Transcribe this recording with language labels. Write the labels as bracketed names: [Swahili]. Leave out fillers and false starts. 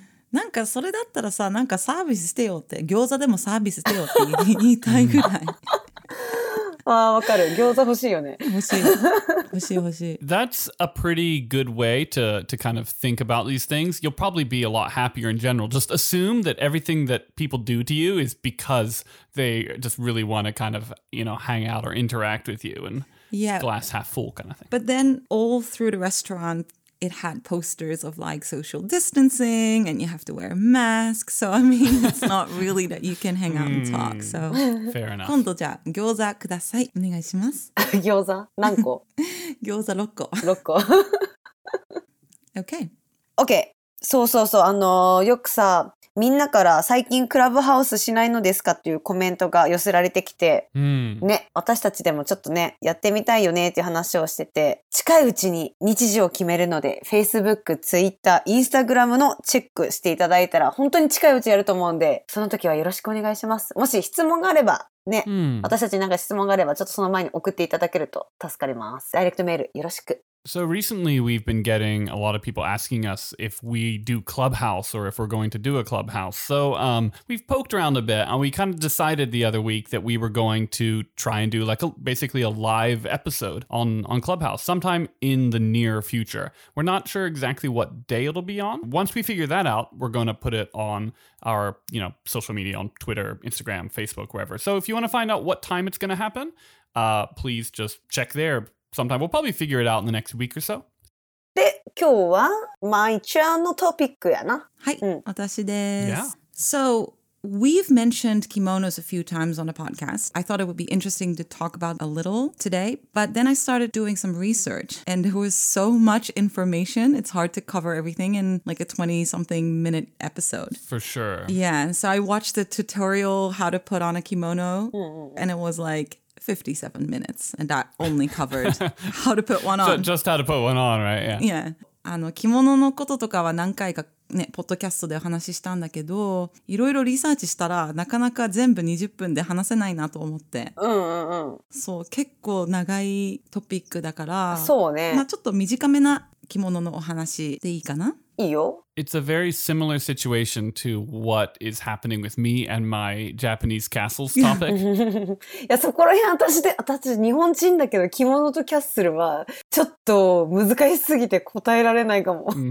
[Japanese] なんかそれだったらさ、なんかサービスしてよって。餃子でもサービスしてよって言いたいぐらい。ああ、わかる。餃子欲しいよね。欲しい。 [English] That's a pretty good way to kind of think about these things. You'll probably be a lot happier in general. Just assume that everything that people do to you is because they just really want to kind of, you know, hang out or interact with you and glass half full kind of thing. But then all through the restaurant, it had posters of like social distancing and you have to wear a mask. So, I mean, it's not really that you can hang out and talk. So, fair enough. [Japanese] 今度じゃあ餃子ください。お願いします。餃子何個？餃子6個。 6個。 [English] OK. [Japanese] OK. そうそうそう。よくさ、みんなから最近クラブハウスしないのですかっていうコメントが寄せられてきて、ね、私たちでもちょっとね、やってみたいよねっていう話をしてて、近いうちに日時を決めるので、Facebook、Twitter、Instagram のチェックしていただいたら、本当に近いうちやると思うんで、その時はよろしくお願いします。もし質問があれば、ね、私たちに何か質問があれば、ちょっとその前に送っていただけると助かります。ダイレクトメールよろしく。 [English] So recently we've been getting a lot of people asking us if we do Clubhouse or if we're going to do a Clubhouse. So we've poked around a bit and we kind of decided the other week that we were going to try and do like basically a live episode on Clubhouse sometime in the near future. We're not sure exactly what day it'll be on. Once we figure that out, we're going to put it on our, you know, social media on Twitter, Instagram, Facebook, wherever. So if you want to find out what time it's going to happen, please just check there. Sometime we'll probably figure it out in the next week or so. [Japanese] で、今日はまいちゃんのトピックやな。はい、私です。 [English] Yeah. So, we've mentioned kimonos a few times on a podcast. I thought it would be interesting to talk about a little today, but then I started doing some research and there was so much information. It's hard to cover everything in like a 20-something minute episode. For sure. Yeah, so I watched the tutorial how to put on a kimono and it was like... 57 minutes, and that only covered how to put one on. Just how to put one on, right? Yeah. [Japanese] Yeah. あの、着物のこととかは何回かね、ポッドキャストでお話ししたんだけど、いろいろリサーチしたら、なかなか全部20分で話せないなと思って。そう、結構長いトピックだから、そうね。まあ、ちょっと短めな着物のお話でいいかな？いいよ。 [English] It's a very similar situation to what is happening with me and my Japanese castles topic. [Japanese] いや、そこら辺私で、私日本人だけど着物とキャッスルはちょっと難しすぎて答えられないかも。